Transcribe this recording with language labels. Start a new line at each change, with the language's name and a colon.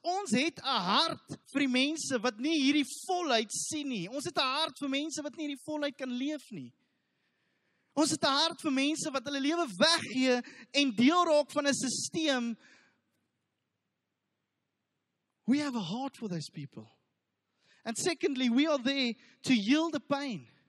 Afrikaans: Ons het een hart vir die mense wat nie hierdie volheid sien nie. Ons het een hart vir mense wat nie hierdie volheid kan leef nie. Ons het een hart vir mense wat hulle lewe weggee en deel raak van een systeem.
English: We have a heart for those people. And secondly, we are there to heal the pain.